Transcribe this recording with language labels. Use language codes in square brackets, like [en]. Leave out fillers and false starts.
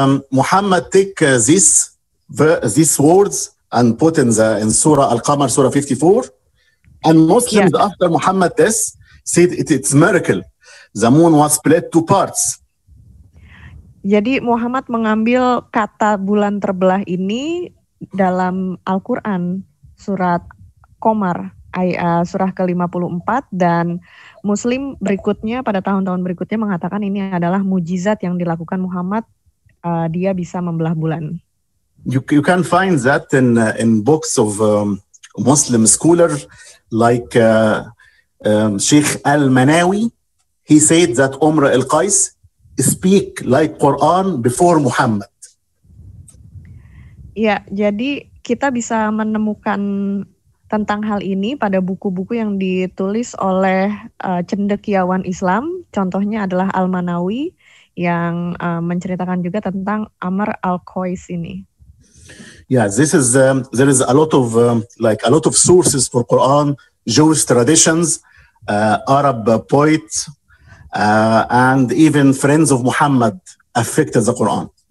[en] Muhammad take these words and put in Surah Al-Qamar, Surah 54. And Muslims after Muhammad this said it's a miracle. The moon was split 2 parts. [id] Jadi Muhammad mengambil kata bulan terbelah ini dalam Al-Quran, Surat Qamar, Surah ke-54, dan Muslim berikutnya pada tahun-tahun berikutnya mengatakan ini adalah mujizat yang dilakukan Muhammad, dia bisa membelah bulan. [en] You can find that in books of Muslim scholar like Sheikh Al-Manawi. He said that Umar al-Qais speak like Quran before Muhammad. [id] Ya, jadi kita bisa menemukan tentang hal ini pada buku-buku yang ditulis oleh cendekiawan Islam. Contohnya adalah Al-Manawi yang menceritakan juga tentang Amr al-Qais ini. [en] Yeah, this is there is a lot of sources for Quran, Jewish traditions, Arab poets, and even friends of Muhammad affected the Quran.